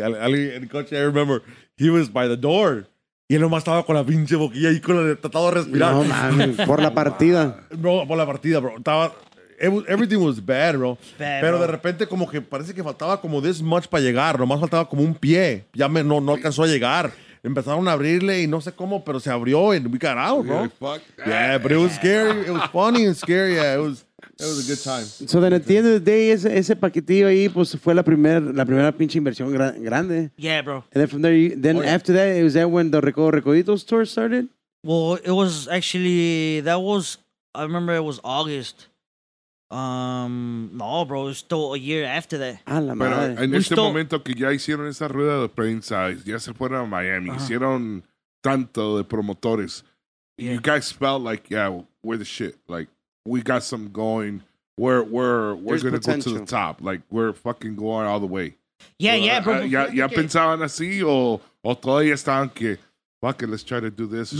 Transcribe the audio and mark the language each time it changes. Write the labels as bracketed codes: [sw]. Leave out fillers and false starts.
[es] El coche, [en] I remember, he was by the door. [es] Y él nomás estaba con la pinche boquilla ahí, tratando de respirar. No, man. Por la partida. [en] Bro, [es] por la partida, [en] bro. Estaba... Everything was bad, bro. Bad, [es] pero [en] bro. [es] De repente como que parece que faltaba como [en] this much [es] para llegar. Nomás faltaba como un pie. Ya no alcanzó a llegar. Empezaron a abrirle y no sé cómo, pero se abrió [en] and we got out, bro. Yeah, but it was scary. It was funny and scary. Yeah, it was a good time. So then at the end of the day, [es] ese paquetillo ahí, pues fue la primera pinche inversión grande. [en] Yeah, bro. And then from there, after that, was that when the Recoditos tour started? Well, it was actually, I remember it was August. No, bro, it's still a year after that. [es] Pero en este momento que ya hicieron esa rueda de prensa, ya se fueron a Miami, uh-huh. Hicieron tanto de promotores. Yeah. [en] You guys felt like, yeah, we're the shit. Like, we got something going. We're going to go to the top. Like, we're fucking going all the way. Yeah, well, yeah, bro. [es] ¿Ya pensaban así o todavía estaban que... [en] Fuck it, let's try to do this. Let's